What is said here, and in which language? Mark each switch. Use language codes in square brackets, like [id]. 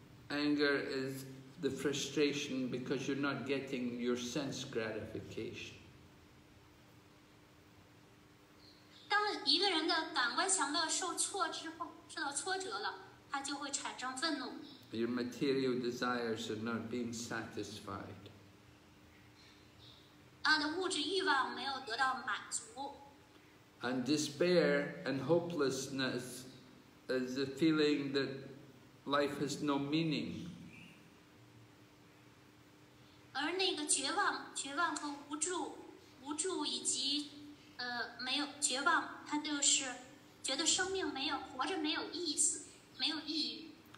[en] Anger is the frustration because you're not getting your sense gratification. [zh] 一个人的感官享乐受到挫折了，他就会产生愤怒。 [en] Your material desires are not being satisfied. [zh] 他的物质欲望没有得到满足。 [en] And despair and hopelessness is the feeling that life has no meaning. [zh] 而那个绝望和无助以及没有绝望，他就是觉得生命没有活着没有意思，没有意义。